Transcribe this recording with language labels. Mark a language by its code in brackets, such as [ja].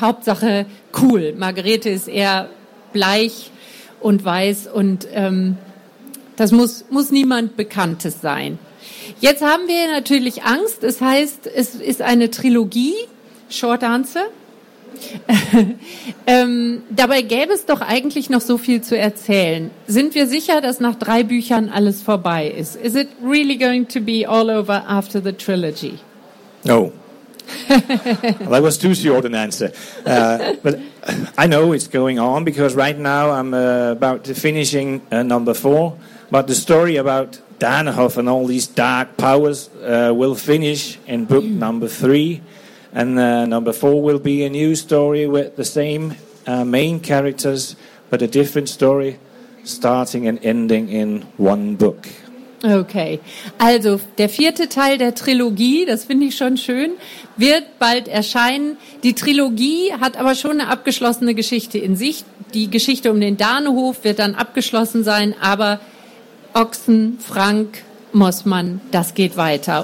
[de] Hauptsache cool. Margrethe ist eher bleich und weiß, und das muss niemand Bekanntes sein. Jetzt haben wir natürlich Angst. Das heißt, es ist eine Trilogie. [en] Short answer. [de] dabei gäbe es doch eigentlich noch so viel zu erzählen. Sind wir sicher, dass nach 3 Büchern alles vorbei ist? [en] Is it really going to be all over after the trilogy? No. That was too short an answer. But I know it's going on, because right now I'm about to finishing number 4. But the story about Danehof and all these dark powers will finish in book number 3. And number 4 will be a new story with the same main characters, but a different story, starting and ending in one book. [de] Okay, also der 4. Teil der Trilogie, das finde ich schon schön, wird bald erscheinen. Die Trilogie hat aber schon eine abgeschlossene Geschichte in sich. Die Geschichte um den Danehof wird dann abgeschlossen sein, aber Ochsen, Franck, Mossmann, das geht weiter.